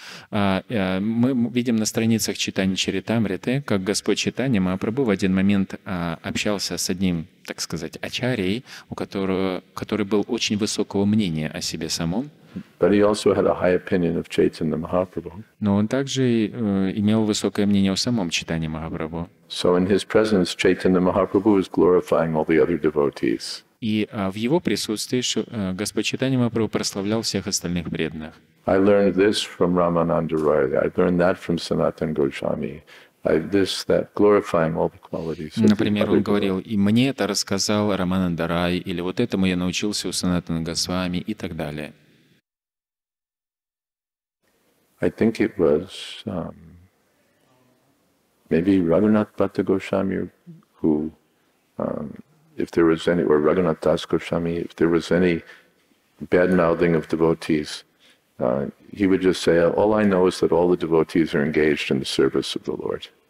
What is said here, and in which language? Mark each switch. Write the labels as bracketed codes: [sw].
[ru] Мы видим на страницах Читания Чаритамриты, как Господь Читания Махапрабху в один момент общался с одним, так сказать, ачарьей, который был очень высокого мнения о себе самом. [en] But he also had a high opinion of Chaitanya Mahaprabhu. [ru] Но он также имел высокое мнение о самом Чайтанье Махапрабху. [en] So in his presence, Chaitanya Mahaprabhu was glorifying all the other devotees. [ru] И в его присутствии Господь Чайтанья Махапрабху прославлял всех остальных преданных. [en] I learned this from Ramananda Roy. I learned that from Sanatan Goswami. [ru] Например, он говорил, и мне это рассказал Рамананда Рай, или вот этому я научился у Санатана Госвами, и так далее. [en] I think it was maybe Raghunath Bhatta Goswami who if there was any, or Raghunath Das Goswami, if there was any bad-mouthing of devotees, he would just say, all I know is that all the devotees are engaged in the service of the Lord.